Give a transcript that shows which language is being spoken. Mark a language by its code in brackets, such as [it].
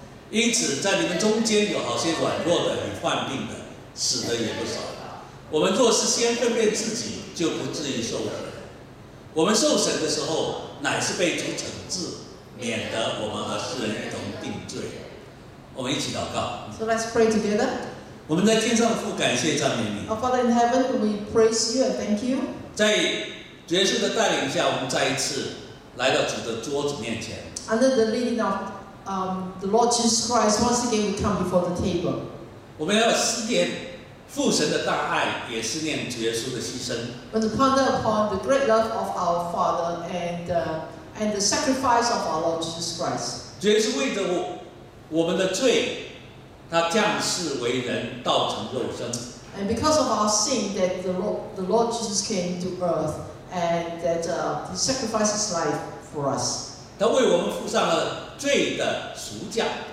[zh] 因此在你们中间有好些软弱的与患病的，死的也不少。我们若是先分辨自己，就不至于受审。我们受审的时候乃是被主惩治，免得我们和世人一同定罪。我们一起祷告。 [en] So let's pray together. [zh] 我们在天上父，感谢赞美你。 [en] Our Father in heaven, we praise you and thank you. [zh] 在主耶稣的带领下，我们再一次来到主的桌子面前。 [en] Under the leading of the Lord Jesus Christ, once again we come before the table. [zh] 我们要思念父神的大爱，也思念主耶稣的牺牲。 [en] We ponder upon the great love of our Father and the sacrifice of our Lord Jesus Christ. [zh] 主耶稣为着我们的罪，他降世为人，道成肉身。 [en] And because of our sin, that the Lord Jesus came to earth and that he sacrificed his life for us. [zh] 他为我们付上了罪的赎价。